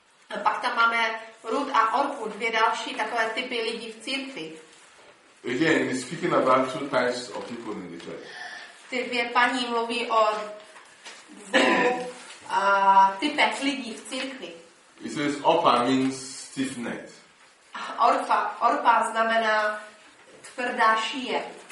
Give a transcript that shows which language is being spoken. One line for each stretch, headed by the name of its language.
Czech: A pak tam máme Ruth a Orpu, dvě další takové typy lidí v církvi.
English: Again, he's speaking about two types of people in the church.
Czech: Ty dvě paní mluví o dvou typech lidí v církvi.
English: He says Orpha means stiff-necked.
Czech: Orpa znamená tvrdá šíje.